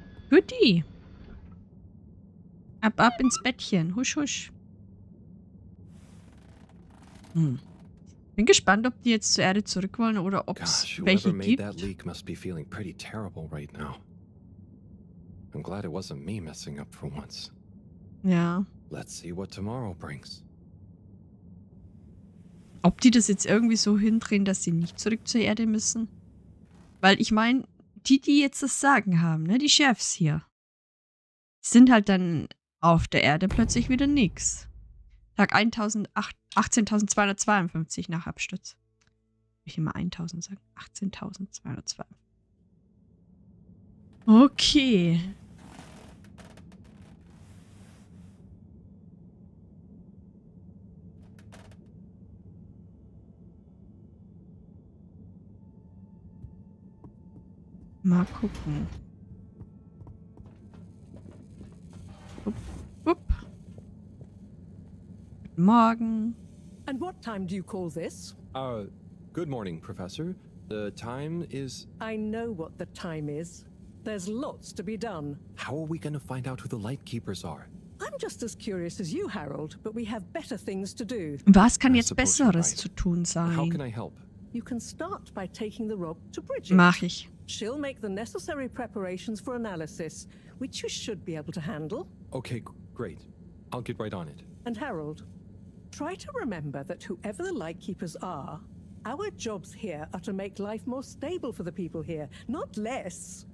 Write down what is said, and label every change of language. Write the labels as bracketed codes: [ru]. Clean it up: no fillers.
[de] Goodie. Ab ins Bettchen. Husch, husch. Bin gespannt, ob die jetzt zur Erde zurück wollen oder ob es welche gibt. [en] That leak must be feeling pretty terrible right now. I'm glad it wasn't me messing up for once. [de] Ja. [en] Let's see what tomorrow brings. [de] Ob die das jetzt irgendwie so hindrehen, dass sie nicht zurück zur Erde müssen? Weil ich meine, die, die jetzt das Sagen haben, ne, die Chefs hier, sind halt dann auf der Erde plötzlich wieder nix. Tag 18.252 nach Absturz. Ich immer 1.000 sagen. 18.252. Okay. Mal gucken. Morgen. [en] And what time do you call this? Good morning, Professor. The time is... I know what the time is. There's lots to be done. How are we going to find out who the Lightkeepers are? I'm just as curious as you, Harold, but we have better things to do. [de] Was kann jetzt Besseres zu tun sein? [en] How can I help? You can start by taking the rock to Bridget. [de] Mach ich. [en] She'll make the necessary preparations for analysis, which you should be able to handle. Okay, great. I'll get right on it. And Harold, try to remember that whoever the Lightkeepers are, our jobs here are to make life more stable for the people here, not less.